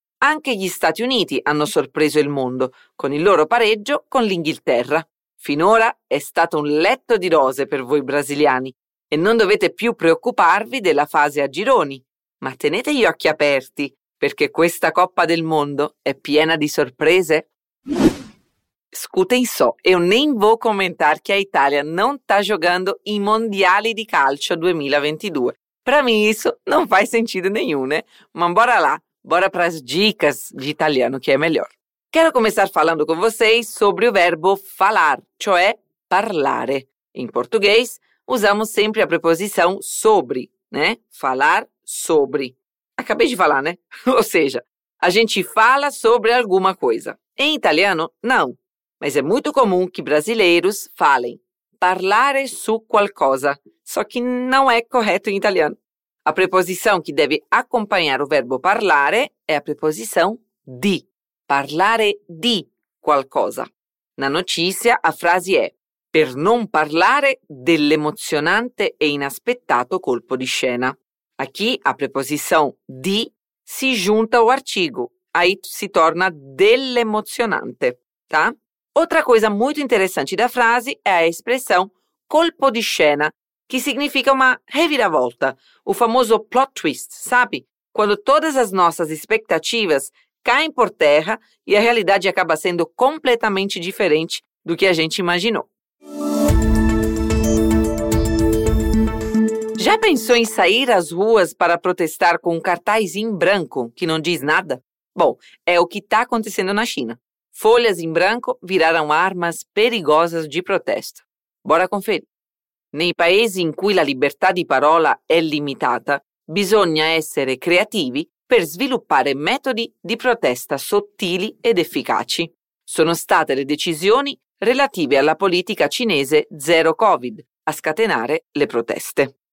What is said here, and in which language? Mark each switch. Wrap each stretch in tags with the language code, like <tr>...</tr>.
<it>Anche gli Stati Uniti hanno sorpreso il mondo con il loro pareggio con l'Inghilterra. Finora è stato un letto di rose per voi brasiliani. E non dovete più preoccuparvi della fase a gironi. Ma tenete gli occhi aperti, perché questa Coppa del Mondo è piena di sorprese.</it> <pt>Scute in so, eu nem vou comentar que a Itália non tá jogando</pt> <it>i mondiali di calcio</it> <pt>2022. Para mim isso não faz sentido nenhum, né? Mas bora lá, bora pras dicas de italiano que é melhor. Quero começar falando com vocês sobre o verbo falar,</pt> <it>cioè parlare.</it> <pt>Em português, usamos sempre a preposição sobre, né? Falar sobre. Acabei de falar, né? Ou seja, a gente fala sobre alguma coisa. Em italiano, não. Mas é muito comum que brasileiros falem</pt> <it>parlare su qualcosa,</it> <pt>só que não é correto em italiano. A preposição que deve acompanhar o verbo parlare é a preposição di.</pt> <it>Parlare di qualcosa.</it> <pt>Na notícia, a frase é</pt> <it>per non parlare dell'emozionante e inaspettato colpo di scena.</it> <pt>Aqui, a preposição di si junta ao artigo, aí se torna dell'emozionante, tá? Outra coisa muito interessante da frase é a expressão colpo di scena, que significa uma reviravolta, o famoso plot twist, sabe? Quando todas as nossas expectativas caem por terra e a realidade acaba sendo completamente diferente do que a gente imaginou. Já pensou em sair às ruas para protestar com um cartaz em branco que não diz nada? Bom, é o que está acontecendo na China. Folhas em branco viraram armas perigosas de protesto. Bora conferir.</pt> <it>Nei paesi in cui la libertà di parola è limitata, Bisogna essere creativi per sviluppare metodi di protesta sottili ed efficaci. Sono state le decisioni relative alla politica cinese zero Covid a scatenare le proteste.</it>